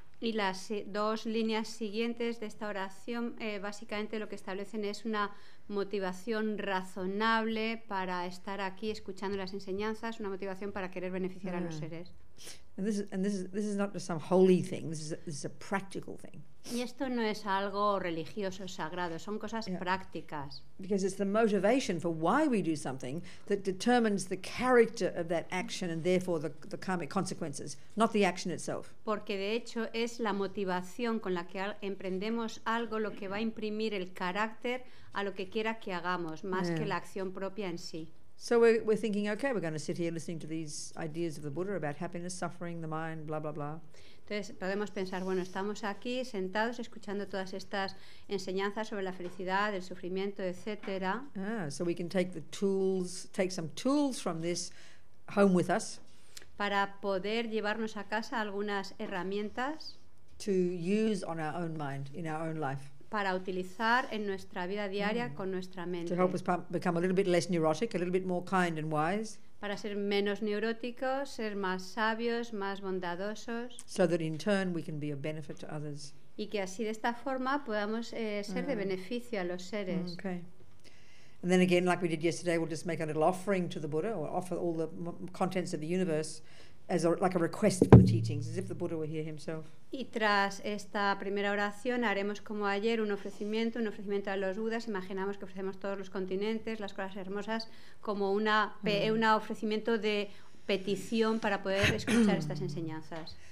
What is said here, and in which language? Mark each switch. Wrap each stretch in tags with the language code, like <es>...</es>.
<es>Y las dos líneas siguientes de esta oración básicamente lo que establecen es una motivación razonable para estar aquí escuchando las enseñanzas, una motivación para querer beneficiar a los seres.</es> <en>And this is not just some holy thing, this is a practical thing.</en> <es>Y esto no es algo religioso, sagrado, son cosas prácticas.</es> <en>Because it's the motivation for why we do something that determines the character of that action and therefore the karmic consequences, not the action itself.</en> <es>Porque de hecho es la motivación con la que emprendemos algo lo que va a imprimir el carácter a lo que quiera que hagamos, más que la acción propia en sí.</es> <en>So we're thinking, okay, we're going to sit here listening to these ideas of the Buddha about happiness, suffering, the mind, blah, blah, blah.</en> <es>Entonces podemos pensar, bueno, estamos aquí sentados escuchando todas estas enseñanzas sobre la felicidad, el sufrimiento, etc.</es> <en>So we can take some tools from this home with us.</en> <es>Para poder llevarnos a casa algunas herramientas.</es> <en>To use on our own mind, in our own life.</en> <es>Para utilizar en nuestra vida diaria con nuestra mente.</es> <en>To help us become a little bit less neurotic, a little bit more kind and wise.</en> <es>Para ser menos neuróticos, ser más sabios, más bondadosos.</es> <en>So that in turn we can be of benefit to others.</en> <es>Y que así de esta forma podamos ser de beneficio a los seres.</es> <en>Okay. And then again, like we did yesterday, we'll just make a little offering to the Buddha, or offer all the contents of the universe as like a request for the teachings, as if the Buddha were here himself.</en> <es>Y tras esta primera oración haremos como ayer un ofrecimiento a los Budas. Imaginamos que ofrecemos todos los continentes, las cosas hermosas, como un ofrecimiento de petición para poder escuchar estas enseñanzas.</es>